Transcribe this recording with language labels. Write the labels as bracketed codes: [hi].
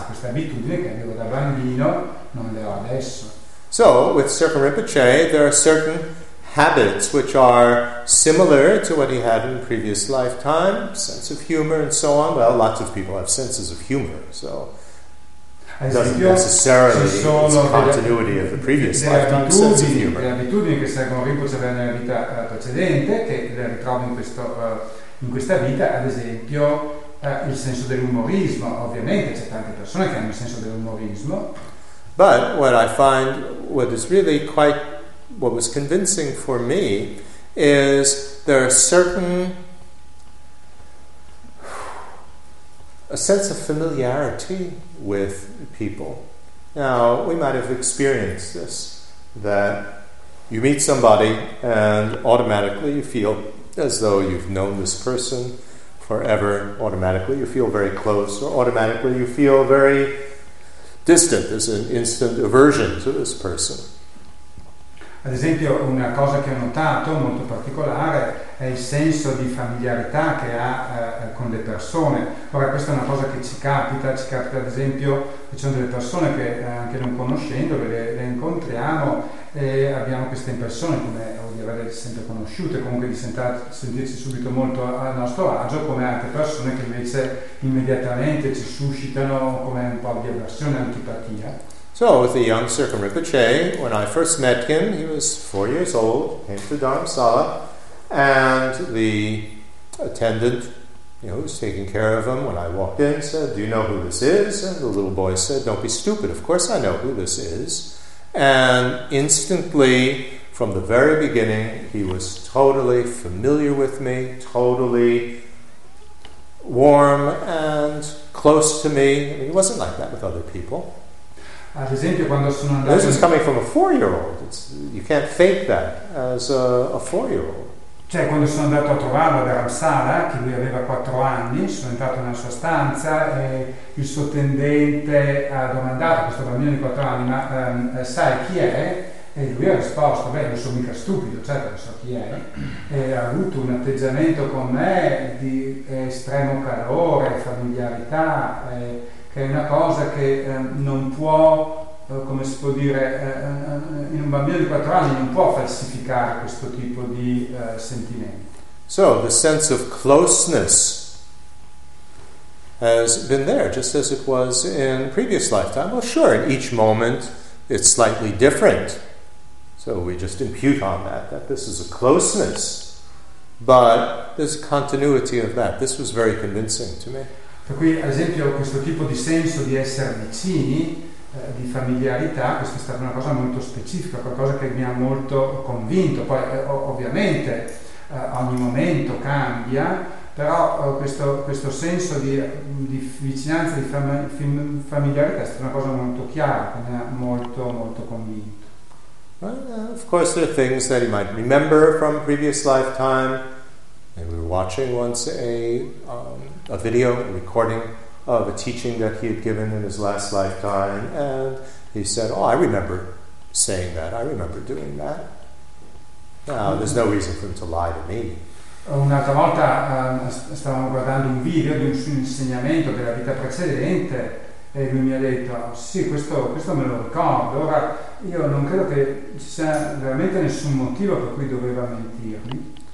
[it] Queste abitudini che avevo da bambino non le ho adesso. [en] So, with Serpong Rinpoche, there are certain habits which are similar to what he had in previous lifetime, sense of humor and so on. Well, lots of people have senses of humor, so it doesn't necessarily mean continuity of the previous lifetime sense of humor. [it] Le abitudini che Serpong Rinpoche aveva nella vita precedente, che le ritrovo in questa vita, ad esempio, il senso dell'umorismo. Ovviamente c'è tante persone che hanno il senso dell'umorismo. [en] But what I find, what is really quite, what was convincing for me, is there are certain, a sense of familiarity with people. Now, we might have experienced this, that you meet somebody and automatically you feel as though you've known this person forever. Automatically you feel very close, or automatically you feel very distant. There's an instant aversion to this person. [it] Ad esempio, una cosa che ho notato molto particolare è il senso di familiarità che ha con le persone. Ora, questa è una cosa che ci capita ad esempio che ci sono delle persone che anche non conoscendo le incontriamo e abbiamo questa impressione, come di averle sempre conosciute, comunque di sentirci subito molto a nostro agio, come altre persone che invece immediatamente ci suscitano come un po' di avversione, antipatia. [en] So, with the young Serpong Rinpoche, when I first met him, he was 4 years old, came to Dharamsala, And the attendant, you know, who was taking care of him when I walked in, said, "Do you know who this is?" And the little boy said, "Don't be stupid. Of course I know who this is." And instantly, from the very beginning, he was totally familiar with me, totally warm and close to me. I mean, he wasn't like that with other people. [it] Ad esempio, quando sono andato, [en] this is coming from a four-year-old. You can't fake that as a four-year-old. [it] Cioè, quando sono andato a trovarlo ad Ramsala, che lui aveva 4 anni, sono entrato nella sua stanza e il suo tendente ha domandato a questo bambino di 4 anni, ma sai chi è? E lui ha risposto, beh, non sono mica stupido, certo non so chi è, e ha avuto un atteggiamento con me di estremo calore, familiarità, che è una cosa che non può, come si può dire, in un bambino di 4 anni non può falsificare questo tipo di sentimenti. [en] So, the sense of closeness has been there, just as it was in previous lifetime. Well, sure, in each moment it's slightly different. So we just impute on that, that this is a closeness. But there's a continuity of that. This was very convincing to me. [it] Per cui, ad esempio, questo tipo di senso di essere vicini, di familiarità, questa è stata una cosa molto specifica, qualcosa che mi ha molto convinto. Poi, ovviamente, ogni momento cambia, però questo senso di vicinanza, di familiarità, è stata una cosa molto chiara, che mi ha molto, molto convinto. [en] Well, of course, there are things that he might remember from previous lifetime. And we were watching once a video, a recording of a teaching that he had given in his last lifetime. And he said, "Oh, I remember saying that. I remember doing that." Now, there's no reason for him to lie to me. [it] Un'altra volta stavamo guardando un video di un suo insegnamento della vita precedente. E lui mi ha detto, sì, questo me lo ricordo. Ora, io non credo che ci sia veramente nessun motivo per cui doveva mentirmi.